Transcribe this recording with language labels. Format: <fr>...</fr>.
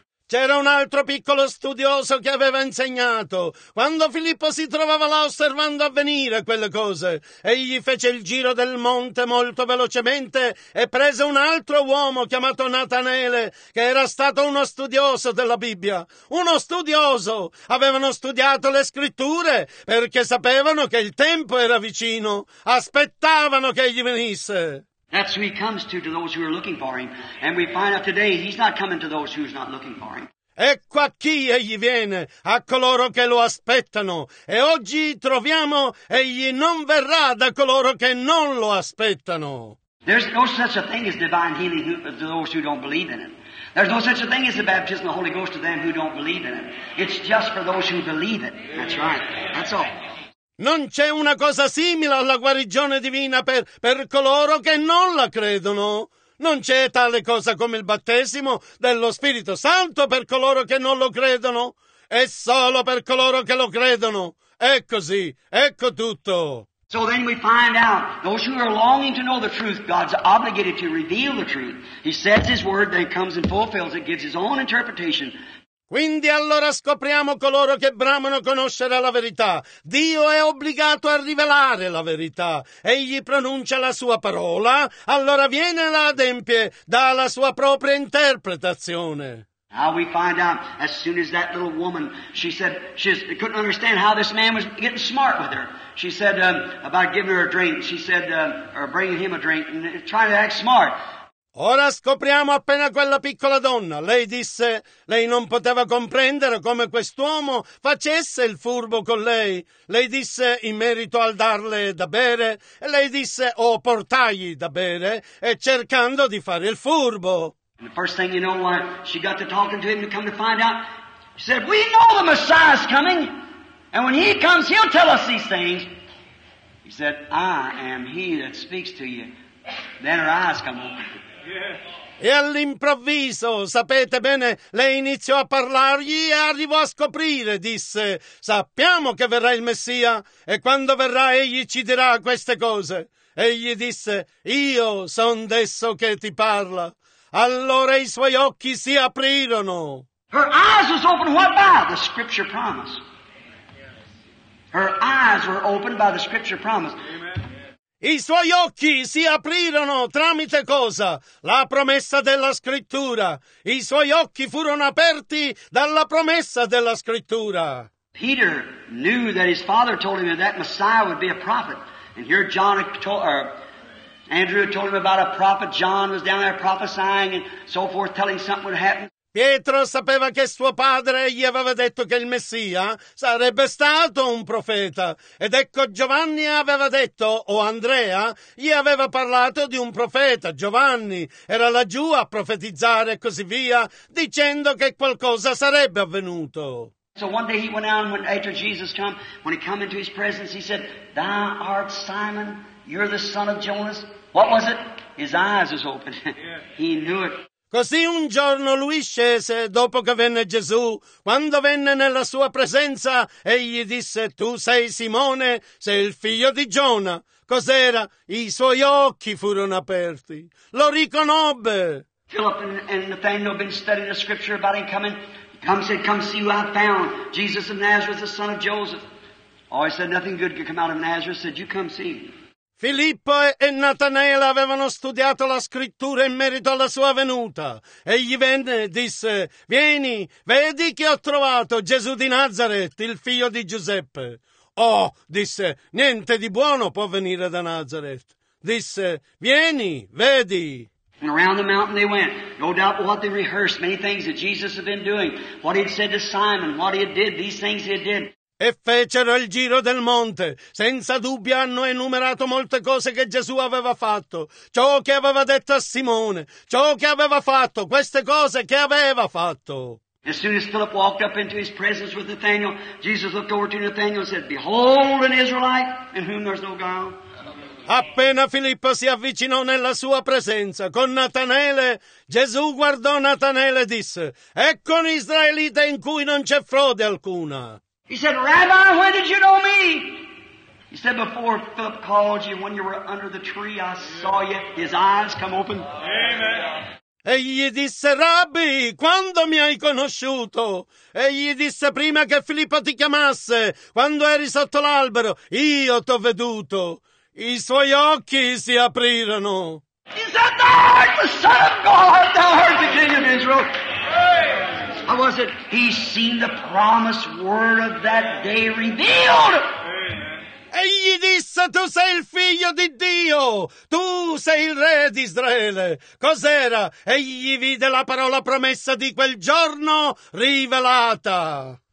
<it>C'era un altro piccolo studioso che aveva insegnato. Quando Filippo si trovava là osservando avvenire quelle cose, egli fece il giro del monte molto velocemente e prese un altro uomo chiamato Natanele, che era stato uno studioso della Bibbia. Uno studioso! Avevano studiato le scritture perché sapevano che il tempo era vicino. Aspettavano che egli venisse.</it> <en>That's who he comes to those who are looking for him. And we find out today he's not coming to those who's not looking for him.</en> <it>Ecco a chi egli viene, a coloro che lo aspettano. E oggi troviamo egli non verrà da coloro che non lo aspettano.</it> <en>There's no such a thing as divine healing to those who don't believe in it. There's no such a thing as the baptism of the Holy Ghost to them who don't believe in it. It's just for those who believe it. That's right. That's all.</en> <it>Non c'è una cosa simile alla guarigione divina per coloro che non la credono. Non c'è tale cosa come il battesimo dello Spirito Santo per coloro che non lo credono. È solo per coloro che lo credono. È così. Ecco tutto.</it> <en>So then we find out, those who are longing to know the truth, God's obligated to reveal the truth. He says his word, then comes and fulfills it, gives his own interpretation.</en> <it>Quindi allora scopriamo coloro che bramano conoscere la verità. Dio è obbligato a rivelare la verità. Egli pronuncia la sua parola, allora viene e la adempie, dà la sua propria interpretazione.</it> <en>Now we find out, as soon as that little woman, she said, she couldn't understand how this man was getting smart with her. She said, about giving her a drink, she said, or bringing him a drink, and trying to act smart.</en> <it>Ora scopriamo appena quella piccola donna. Lei disse, lei non poteva comprendere come quest'uomo facesse il furbo con lei. Lei disse, in merito al darle da bere, e lei disse, oh, portagli da bere, e cercando di fare il furbo.</it> <en>And the first thing you know, why she got to talking to him to come to find out, she said, we know the Messiah's coming, and when he comes, he'll tell us these things. He said, I am he that speaks to you. Then her eyes come open.</en> <it>E all'improvviso, sapete bene, lei iniziò a parlargli e arrivò a scoprire, disse, sappiamo che verrà il Messia e quando verrà egli ci dirà queste cose. Egli disse, io son d'esso che ti parla. Allora i suoi occhi si aprirono.</it> <en>Her eyes was opened, what by? The scripture promise. Her eyes were opened by the scripture promise. Amen.</en> <it>I suoi occhi si aprirono tramite cosa? La promessa della scrittura. I suoi occhi furono aperti dalla promessa della scrittura.</it> <en>Peter knew that his father told him that that Messiah would be a prophet. And here John Andrew told him about a prophet. John was down there prophesying and so forth, telling something would happen.</en> <it>Pietro sapeva che suo padre gli aveva detto che il Messia sarebbe stato un profeta. Ed ecco Giovanni aveva detto, o Andrea, gli aveva parlato di un profeta. Giovanni era laggiù a profetizzare e così via, dicendo che qualcosa sarebbe avvenuto.</it> <en>So one day he went out and went after Jesus come. When he came into his presence, he said, Thou art Simon, you're the son of Jonas. What was it? His eyes was open. He knew it.</en> <it>Così un giorno lui scese, dopo che venne Gesù, quando venne nella sua presenza, egli disse, tu sei Simone, sei il figlio di Giona. Cos'era? I suoi occhi furono aperti. Lo riconobbe.</it> <en>Philip and Nathanael been studying the scripture about him coming. He come and said, come see who I found. Jesus of Nazareth, the son of Joseph. Oh, he said, nothing good could come out of Nazareth. He said, you come see me.</en> <it>Filippo e Natanael avevano studiato la scrittura in merito alla sua venuta. Egli venne e disse, vieni, vedi che ho trovato Gesù di Nazareth, il figlio di Giuseppe. Oh, disse, niente di buono può venire da Nazareth. Disse, vieni, vedi.</it> <en>And around the mountain they went. No doubt what they rehearsed, many things that Jesus had been doing. What he had said to Simon, what he had did, these things he had did.</en> <it>E fecero il giro del monte. Senza dubbio hanno enumerato molte cose che Gesù aveva fatto, ciò che aveva detto a Simone, ciò che aveva fatto, queste cose che aveva fatto.</it> <en>As soon as Philip walked up into his presence with Nathanael, Jesus looked over to Nathanael and said, Behold an Israelite in whom there's no guile.</en> <it>Appena Filippo si avvicinò nella sua presenza con Natanele, Gesù guardò Natanele e disse, ecco un israelita in cui non c'è frode alcuna.</it> <en>He said, Rabbi, when did you know me? He said, before Philip called you, when you were under the tree, I saw you. His eyes come open. Amen.</en> <it>Egli disse, Rabbi, quando mi hai conosciuto? Egli disse, prima che Filippo ti chiamasse, quando eri sotto l'albero, io t'ho veduto. I suoi occhi si aprirono.</it> <en>He said, Thou art the Son of God, Thou art the King of Israel. How was it? He seen the promised word of that day revealed.</en> <it>Egli disse, tu sei il figlio di Dio, tu sei il re di Israele. Cos'era? Egli vide la parola promessa di quel giorno rivelata.</it>